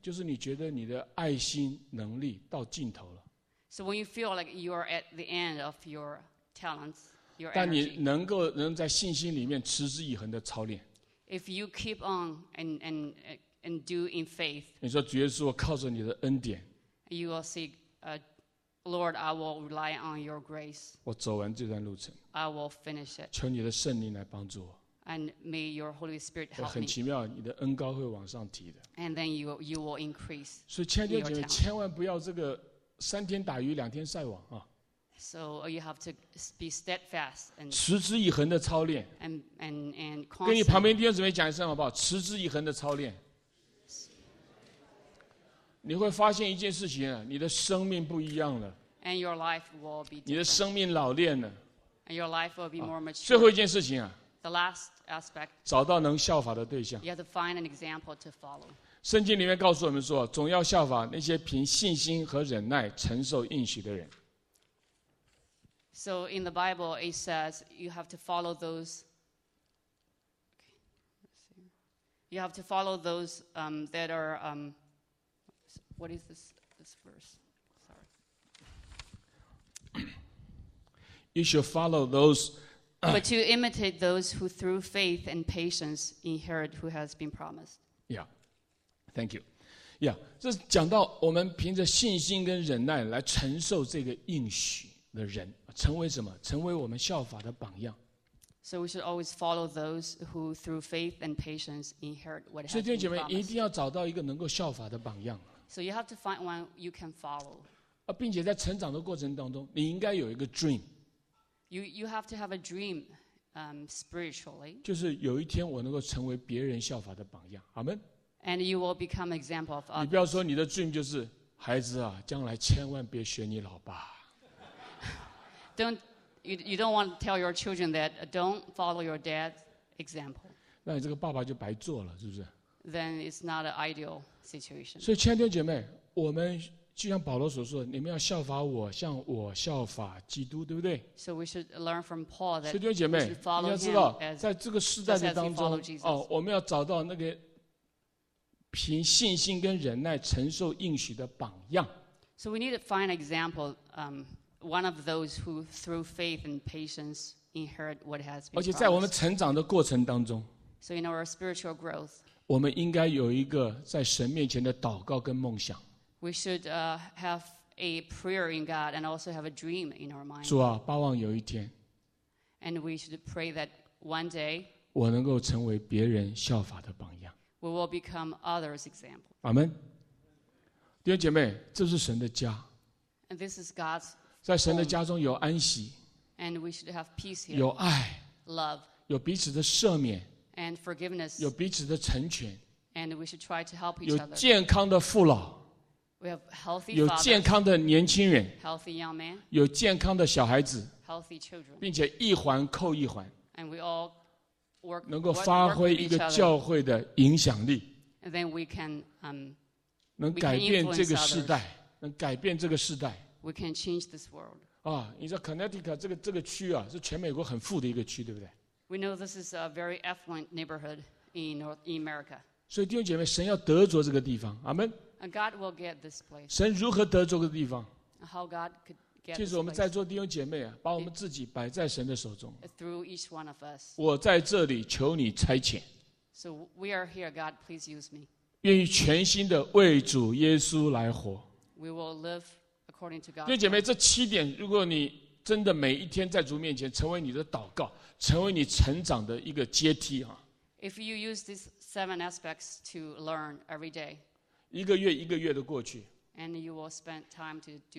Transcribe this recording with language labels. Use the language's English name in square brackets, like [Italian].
[Chinese] 就是你觉得你的爱心能力到尽头了。 [English] So when you feel like you are at the end of your talents, your energy. [Chinese] 但你能够能在信心里面持之以恒的操练。 [English] If you keep on and do in faith. [Chinese] 你说主耶稣，我靠着你的恩典。 [English] You will see, Lord, I will rely on your grace. [Chinese] 我走完这段路程。 [English] I will finish it. [Chinese] 求你的圣灵来帮助我。 [English] And may your Holy Spirit help me. [Chinese] 很奇妙，你的恩高会往上提的。 [English] And then you will increase. [Chinese] 所以，亲爱的弟兄姐妹，千万不要这个三天打鱼两天晒网啊。 [English] So you have to be steadfast and [Chinese] 持之以恒的操练。 [English] And constant. [Chinese] 跟你旁边弟兄姊妹讲一声好不好？持之以恒的操练。你会发现一件事情啊，你的生命不一样了。 [English] And your life will be different. [Chinese] 你的生命老练了。 [English] And your life will be more mature. [Chinese] 最后一件事情啊。 [English] The last aspect, [Chinese] 找到能效法的对象。 [English] You have to find an example to follow. [Chinese] 圣经里面告诉我们说，总要效法那些凭信心和忍耐承受应许的人。 [English] So in the Bible, it says you have to follow those. You have to follow those that are. What is this verse? Sorry. You should follow those. But to imitate those who through faith and patience inherit who has been promised. Yeah, thank you. Yeah, [Chinese] 这是讲到我们凭着信心跟忍耐来承受这个应许的人，成为什么？成为我们效法的榜样。 [English] So we should always follow those who through faith and patience inherit what has been [Chinese] 所以弟兄姐妹一定要找到一个能够效法的榜样。 [English] So you have to find one you can follow. [Chinese] 并且在成长的过程当中，你应该有一个 dream. [English] You have to have a dream, spiritually. [Chinese] 就是有一天我能够成为别人效法的榜样，阿门。 [English] And you will become example of others. [Chinese] 你不要说你的 dream 就是孩子啊，将来千万别学你老爸。 [English] You don't want to tell your children that don't follow your dad's example. [Chinese] 那你这个爸爸就白做了，是不是 [English] ？Then it's not an ideal situation. [Chinese] 所以，亲爱的弟兄姐妹，我们。就像保罗所说，你们要效法我，像我效法基督，对不对？所以，弟兄姐妹，你要知道，在这个时代的当中，哦，我们要找到那个凭信心跟忍耐承受应许的榜样。 [English] So we need to find an example, one of those who through faith and patience inherit what has been. [Chinese] 而且在我们成长的过程当中 [English] ，So in our spiritual growth, [Chinese] 我们应该有一个在神面前的祷告跟梦想。 [English] We should have a prayer in God and also have a dream in our mind. [Chinese] 主啊，盼望有一天。 [English] And we should pray that one day. [Chinese] 我能够成为别人效法的榜样。 [English] We will become others' example. [Chinese] 阿门。弟兄姐妹，这是神的家。 [English] And this is God's. [Chinese] 在神的家中有安息。 [English] And we should have peace here. [Chinese] 有爱。 [English] Love. [Chinese] 有彼此的赦免。 [English] And forgiveness. [Chinese] 有彼此的成全。 [English] And we should try to help each [Chinese] 有健康的父老。 [English] We have healthy fathers, [Chinese] 有健康的年轻人 [English] healthy young man, [Chinese] 有健康的小孩子 [English] healthy children, [Chinese] 并且一环扣一环 [English] and we all work, [Chinese] 能够发挥一个教会的影响力 [English] and then we can, [Chinese] 能改变这个世代 [English] we can influence [Chinese] 能改变这个世代 [English] we can change this world. [Chinese] 啊，你知道 Connecticut 这个区啊，是全美国很富的一个区，对不对 [English] We know this is a very affluent neighborhood in America. [Chinese] 所以弟兄姐妹，神要得着这个地方，阿们 [English] God will get this place. [Chinese] 神如何得着个地方？ [English] How God could get this place? [Chinese] 就是我们在座弟兄姐妹啊，把我们自己摆在神的手中。 [English] Through each one of us. [Chinese] 我在这里，求你差遣。 [English] So we are here, God, please use me. [Chinese] 愿意全心的为主耶稣来活。 [English] We will live according to God. [Chinese] 弟兄姐妹，这七点，如果你真的每一天在主面前成为你的祷告，成为你成长的一个阶梯啊。 [English] If you use these seven aspects to learn every day. [Chinese] 一个月一个月的过去， [English] And you will spend time to do